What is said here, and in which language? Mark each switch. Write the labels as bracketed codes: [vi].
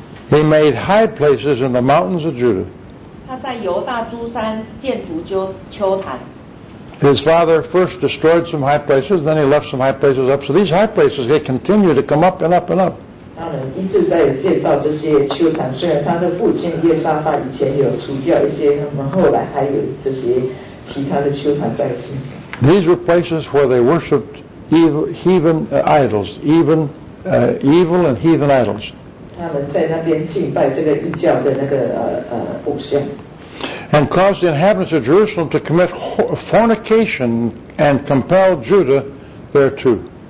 [en] he made high places in the mountains of Judah. [zh] 他在犹大诸山建筑丘坛。 [en] His father first destroyed some high places, then he left some high places up. So these high places, they continue to come up and up and up. [zh] 当然一直在建造这些丘坛。 [en] These were places where they worshipped evil and heathen idols. And caused the inhabitants of Jerusalem to commit fornication and compel Judah thereto.